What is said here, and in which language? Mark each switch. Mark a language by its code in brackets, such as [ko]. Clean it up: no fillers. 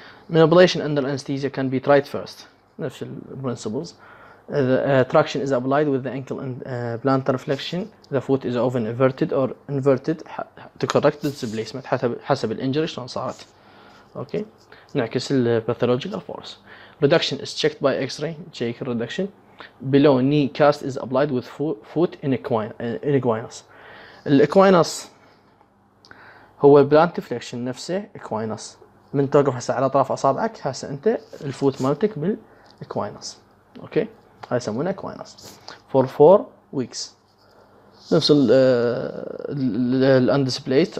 [en] manipulation under anaesthesia can be tried first, نفس البرنسبلز، the traction is applied with the ankle and plantar flexion, the foot is often inverted or inverted to correct displacement, [ar] حسب الانجري شلون صارت. [en] okay, [ar] نعكس الباثولوجيكال فورس، [en] Reduction is checked by X ray, check الريدكشن. Below knee cast is applied with foot in equinus. [ar] الإكوينوس هو البلانت فليكشن نفسه، إكوينوس من توقف هسه على طرف أصابعك، هسه أنت الفوت مالتك بالإكوينوس. [en] okay, [ar] هاي يسمونه [en] Equinus. For 4 weeks، نفس ال undisplaced.